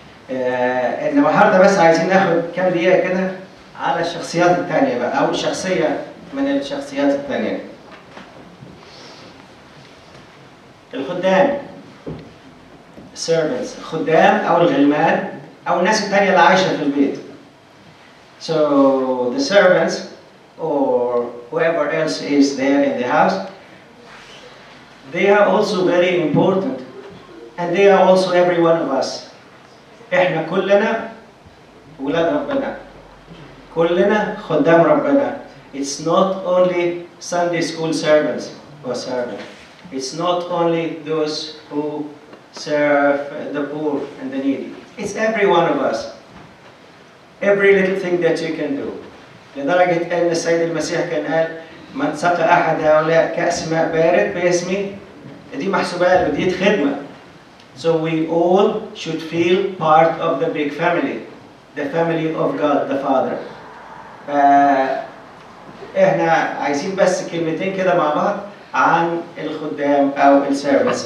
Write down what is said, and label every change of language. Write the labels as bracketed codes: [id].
[ar] النهاردة بس عايزين ناخد كام دقيقة كده على الشخصيات التانية بقى، أو شخصية من الشخصيات التانية. الخدام servants، خدام أو الغلمان أو الناس التانية اللي عايشة في البيت. [en] So the servants or whoever else is there in the house, they are also very important, and they are also every one of us. [ar] إحنا كلنا ولاد ربنا، كلنا خدام ربنا. [en] It's not only Sunday school servants or servant. It's not only those who serve the poor and the needy. It's every one of us. Every little thing that you can do. [ar] لدرجة أن السيد المسيح كان قال: من سقى أحد هؤلاء كأس ماء بارد باسمي، دي محسوبة له، دي خدمة. [en] So we all should feel part of the big family, the family of God the Father. [ar] إحنا عايزين بس كلمتين كده مع بعض عن الخدام أو السيرفنس.